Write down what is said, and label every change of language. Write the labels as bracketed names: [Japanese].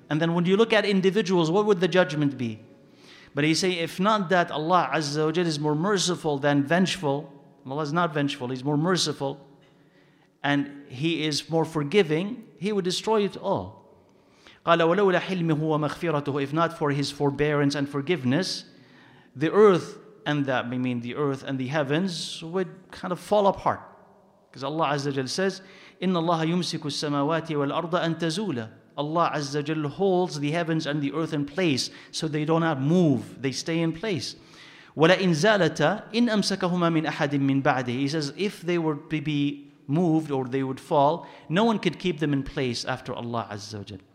[English] And then when you look at individuals, what would the judgment be? But he say, if not that Allah Azza wa Jal is more merciful than vengeful, Allah is not vengeful, he's more merciful, and he is more forgiving, he would destroy it all. [Arabic] قَالَ وَلَوْلَا حِلْمِهُ وَمَغْفِرَتُهُ, [English] if not for his forbearance and forgiveness, the earth, and that may mean the earth and the heavens, would kind of fall apart. Because Allah Azza wa Jal says, [Arabic] إِنَّ اللَّهَ يُمْسِكُ السَّمَاوَاتِ وَالْأَرْضَ أَن تَزُولَ. [English] Allah Azza wa Jal holds the heavens and the earth in place, so they do not move, they stay in place. [Arabic] وَلَئِنْ زَالَتَا إِنْ أَمْسَكَهُمَا مِنْ أَحَدٍ مِنْ بَعْدِهِ. [English] He says, if they were to be moved or they would fall, no one could keep them in place after Allah Azza wa Jal.